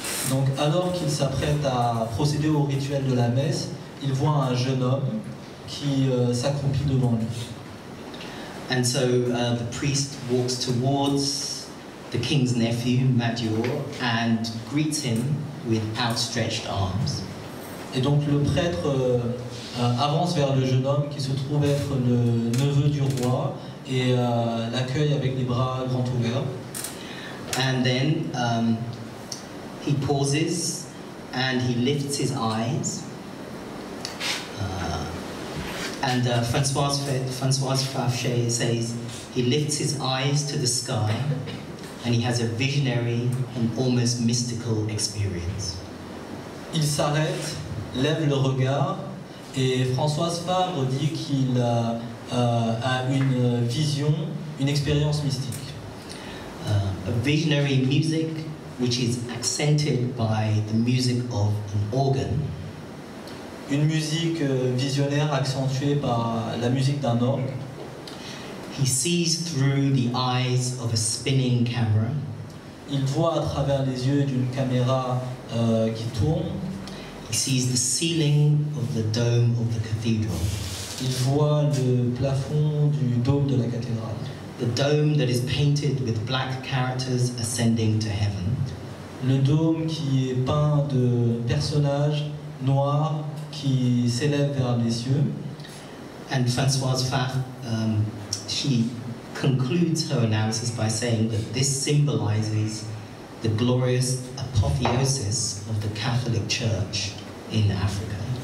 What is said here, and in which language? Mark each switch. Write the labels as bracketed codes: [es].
[fr] Donc alors qu'il s'apprête à procéder au rituel de la messe, il voit un jeune homme qui s'accroupit devant lui. [en] And so the priest walks towards the king's nephew, Madior, and greets him with outstretched arms. [fr] Et donc le prêtre avance vers le jeune homme qui se trouve être le neveu du roi et l'accueille avec les bras grands ouverts. [en] And then he pauses and he lifts his eyes. Françoise Fafché says he lifts his eyes to the sky and he has a visionary and almost mystical experience. [fr] Il s'arrête, lève le regard, et Françoise Fabre dit qu'il a une vision, une expérience mystique. [en] A visionary music which is accented by the music of an organ. [fr] Une musique visionnaire accentuée par la musique d'un orgue. [en] He sees through the eyes of a spinning camera. [fr] Il voit à travers les yeux d'une caméra qui tourne. [en] He sees the ceiling of the dome of the cathedral. [fr] Il voit le plafond du dôme de la cathédrale. [en] The dome that is painted with black characters ascending to heaven. [fr] Le dôme qui est peint de personnages noirs qui s'élèvent vers les cieux. [en] And Françoise Pfaff, she concludes her analysis by saying that this symbolizes the glorious apotheosis of the Catholic Church in Africa.